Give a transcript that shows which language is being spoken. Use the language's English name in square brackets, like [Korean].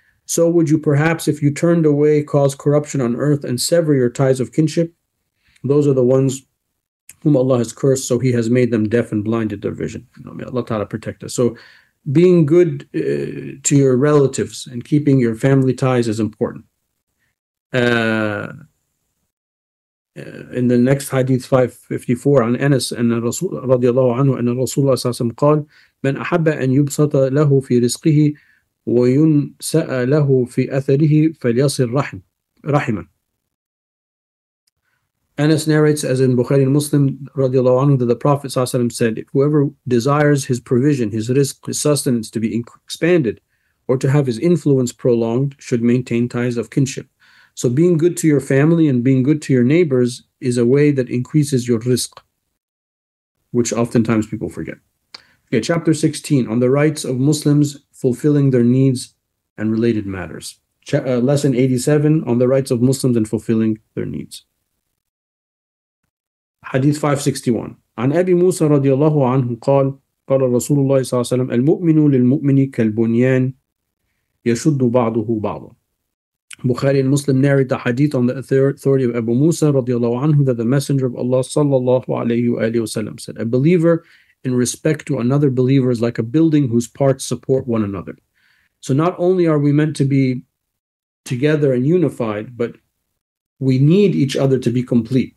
[English] So would you perhaps, if you turned away, cause corruption on earth and sever your ties of kinship? Those are the ones whom Allah has cursed, so He has made them deaf and blinded their vision. May Allah Ta'ala protect us. So being good to your relatives and keeping your family ties is important. In the next hadith 554 [Arabic] عن أنس أن الرسول رضي الله عنه أن الرسول صلى الله عليه وسلم قال من أحب أن يبسط له في رزقه وينسأ له في أثره فليصل رحما. [English] Anas narrates, as in Bukhari and Muslim, radiallahu anhu, that the Prophet ﷺ said, whoever desires his provision, his rizq, his sustenance to be expanded or to have his influence prolonged should maintain ties of kinship. So being good to your family and being good to your neighbors is a way that increases your rizq, which oftentimes people forget. Okay, chapter 16, on the rights of Muslims fulfilling their needs and related matters. Lesson 87, on the rights of Muslims and fulfilling their needs. Hadith 561. [Arabic] عن أبي موسى رضي الله عنه قال قال رسول الله صلى الله عليه وسلم المؤمن للمؤمن كالبنيان يشد بعضه بعضا. [English] Bukhari and Muslim narrate the hadith on the authority of Abu Musa [Arabic] رضي الله عنه [English] that the Messenger of Allah [Arabic] صلى الله عليه وآله وسلم [English] said, a believer in respect to another believer is like a building whose parts support one another. So not only are we meant to be together and unified, but we need each other to be complete.